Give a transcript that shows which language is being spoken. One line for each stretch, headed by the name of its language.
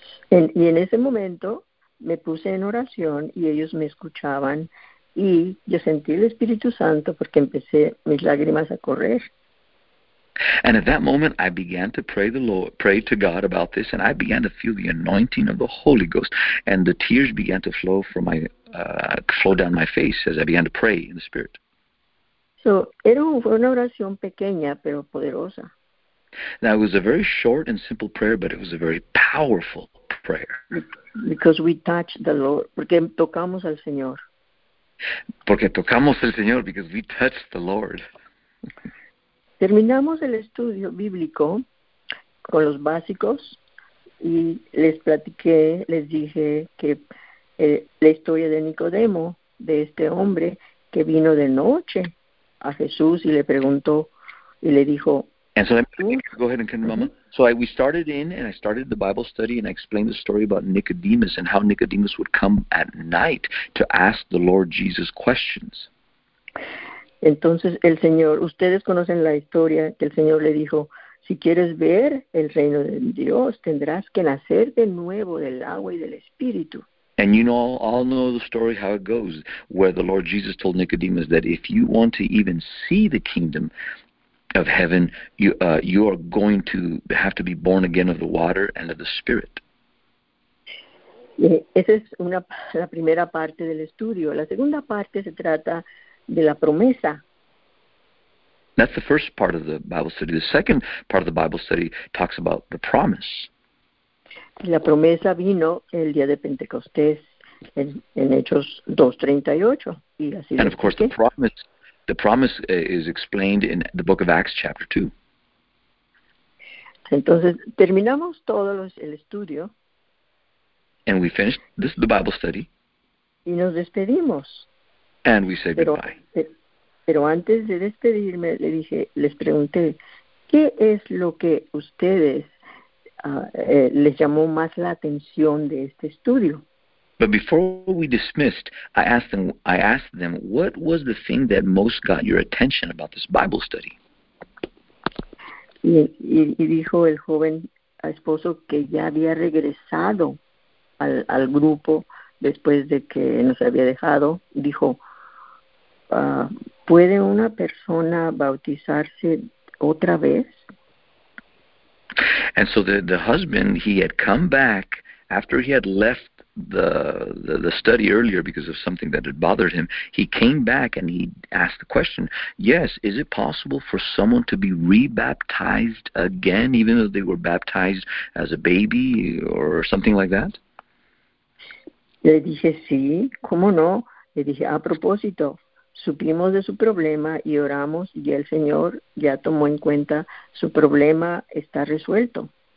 Spanish: Y en ese momento me puse en oración y ellos me escuchaban y yo sentí el Espíritu Santo porque empecé mis lágrimas a correr.
English: And at that moment, I began to pray to God about this, and I began to feel the anointing of the Holy Ghost, and the tears began to flow from my flow down my face as I began to pray in the Spirit. So,
Spanish: fue una oración pequeña, pero poderosa.
English: Now, it was a very short and simple prayer, but it was a very powerful prayer. Because we touched the Lord,
Spanish: porque tocamos al Señor. Porque tocamos al Señor,
English: because we touched the Lord.
Spanish: Terminamos el estudio bíblico con los básicos y les platiqué, les dije que la historia de Nicodemo, de este hombre que vino de noche a Jesús y le preguntó y le dijo.
English: And so go ahead and come, Mama. So we started in and I started the Bible study and I explained the story about Nicodemus and how Nicodemus would come at night to ask the Lord Jesus questions.
Spanish: Entonces el Señor, ustedes conocen la historia que el Señor le dijo, si quieres ver el reino de Dios, tendrás que nacer de nuevo del agua y del Espíritu.
English: And you know, all know the story how it goes, where the Lord Jesus told Nicodemus that if you want to even see the kingdom of heaven, you are going to have to be born again of the water and of the Spirit.
Spanish: Esa es la primera parte del estudio. La segunda parte se trata de la promesa.
English: That's the first part of the Bible study. The second part of the Bible study talks about the promise.
Spanish: La promesa vino el día de Pentecostés en Hechos 2:38. Y así.
English: And of course, the promise is explained in the book of Acts, chapter 2.
Spanish: Entonces, terminamos todo el estudio.
English: And we finished this, the Bible study.
Spanish: Y nos despedimos.
English: And we said goodbye.
Spanish: Pero antes de despedirme, les pregunté, ¿qué es lo que ustedes les llamó más la atención de este estudio?
English: But before we dismissed, I asked them, what was the thing that most got your attention about this Bible study?
Spanish: Y dijo el joven esposo que ya había regresado al grupo después de que nos había dejado, dijo, ¿puede una persona bautizarse otra vez?
English: And so the husband, he had come back after he had left the study earlier because of something that had bothered him. He came back and he asked the question, yes, is it possible for someone to be rebaptized again, even though they were baptized as a baby or something like that?
Spanish: Le dije, sí, ¿cómo no? Le dije, a propósito. Supimos de su problema y oramos y el Señor ya tomó en cuenta su problema está resuelto.